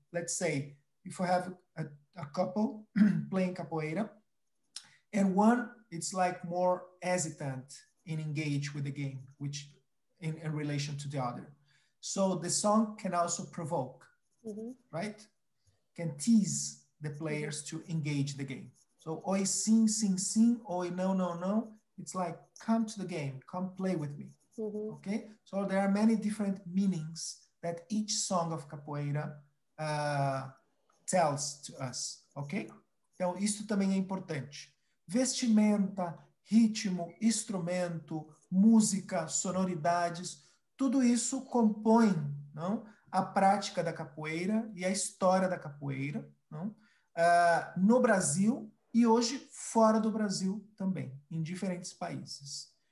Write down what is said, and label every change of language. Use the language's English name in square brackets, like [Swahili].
[English] Let's say, if we have a couple playing capoeira, and one it's like more hesitant in engage with the game, which in relation to the other. So the song can also provoke, right? Can tease the players to engage the game. [Portuguese] So, oi sim, sim, sim, oi não, não, não. [English] It's like, come to the game, come play with me, okay? So there are many different meanings that each song of capoeira tells to us, okay? [Portuguese] Então, isso também é importante. Vestimenta, ritmo, instrumento, música, sonoridades, tudo isso compõe, não, a prática da capoeira e a história da capoeira, não? No Brasil e hoje fora do Brasil também, em diferentes países.